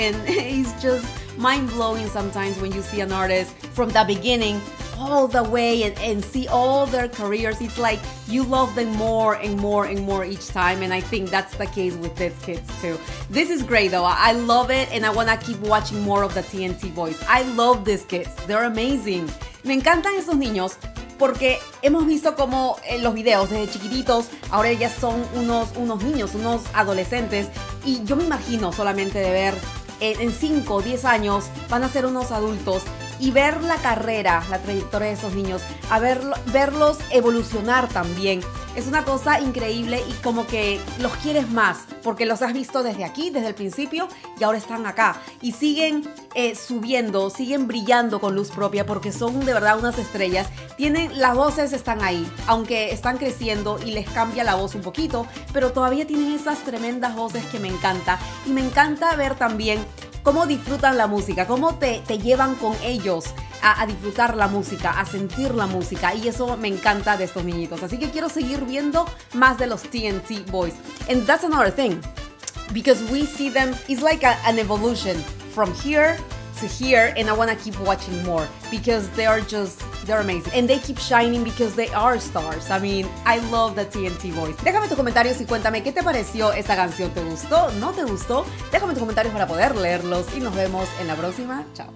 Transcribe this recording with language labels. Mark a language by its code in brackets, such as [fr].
[en] And it's just mind-blowing sometimes when you see an artist from the beginning all the way and see all their careers. It's like you love them more and more and more each time, and I think that's the case with these kids too. This is great though. I love it, and I want to keep watching more of the TNT Boys. I love these kids. They're amazing. [es] Me encantan esos niños porque hemos visto como en los videos desde chiquititos, ahora ya son unos niños, unos adolescentes, y yo me imagino solamente de ver en 5 o 10 años van a ser unos adultos. Y ver la carrera, la trayectoria de esos niños, a verlos evolucionar también, es una cosa increíble, y como que los quieres más, porque los has visto desde aquí, desde el principio, y ahora están acá. Y siguen subiendo, siguen brillando con luz propia, porque son de verdad unas estrellas. Tienen, las voces están ahí, aunque están creciendo y les cambia la voz un poquito, pero todavía tienen esas tremendas voces que me encanta. Y me encanta ver también cómo disfrutan la música, cómo te llevan con ellos a disfrutar la música, a sentir la música. Y eso me encanta de estos niñitos. Así que quiero seguir viendo más de los TNT Boys. [en] And that's another thing, because we see them, it's like an evolution from here to here, and I want to keep watching more because they are just, they're amazing. And they keep shining because they are stars. I mean, I love the TNT Boys. [es] Déjame tus comentarios y cuéntame qué te pareció esa canción. ¿Te gustó? ¿No te gustó? Déjame tus comentarios para poder leerlos y nos vemos en la próxima. Chao.